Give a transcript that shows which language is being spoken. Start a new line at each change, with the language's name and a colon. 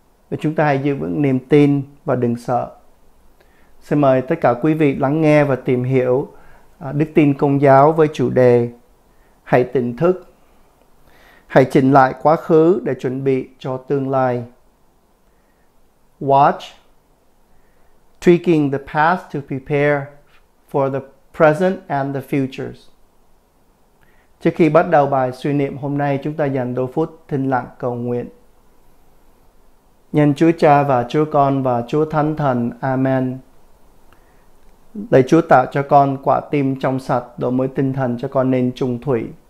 Vietnamese: Và chúng ta hãy giữ vững niềm tin và đừng sợ. Xin mời tất cả quý vị lắng nghe và tìm hiểu đức tin công giáo với chủ đề Hãy tỉnh thức. Hãy chỉnh lại quá khứ để chuẩn bị cho tương lai.
English: Watch. Tweaking the past to prepare for the present and the futures.
Vietnamese: Trước khi bắt đầu bài suy niệm hôm nay, chúng ta dành đôi phút thinh lặng cầu nguyện. Nhân Chúa Cha và Chúa Con và Chúa Thánh Thần, Amen. Lạy Chúa tạo cho con quả tim trong sạch, đổi mới tinh thần cho con nên trung thủy.